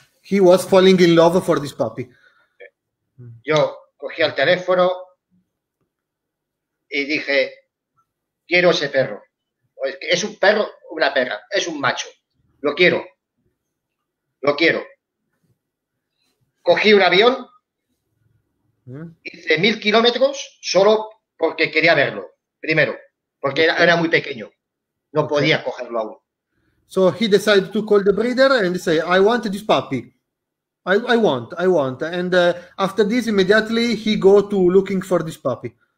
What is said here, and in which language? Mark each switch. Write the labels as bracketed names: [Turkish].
[English] He was falling in love for this puppy. [Spanish] Yo cogí el teléfono y dije, quiero ese perro. ¿Es un perro o una perra? Es un macho. Lo quiero. Lo quiero. Cogí un avión. Hice 1000 kilómetros solo porque quería verlo. Primero. Porque era muy pequeño, no podía cogerlo aún. [English] So he decided to call the breeder and say, "I want this puppy. I want." And after this, immediately he go to looking for this puppy.